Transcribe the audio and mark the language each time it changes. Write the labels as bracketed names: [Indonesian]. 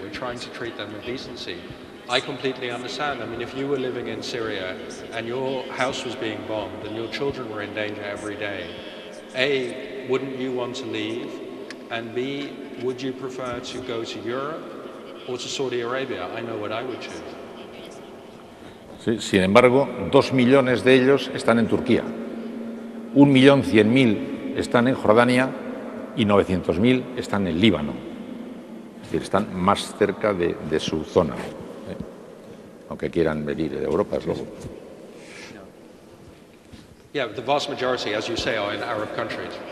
[English] We're trying to treat them with decency. I completely understand. I mean, if you were living in Syria and your house was being bombed and your children were in danger every day, A, wouldn't you want to leave? And B, would you prefer to go to Europe o to Saudi Arabia? I know what I would choose. [Spanish] Sí, sin embargo, 2 millones de ellos están en Turquía, 1.100.000 están en Jordania y 900.000 están en Líbano. Es decir, están más cerca de su zona, aunque quieran venir de Europa, es luego. [English] Yeah, the vast majority, as you say, are in Arab countries.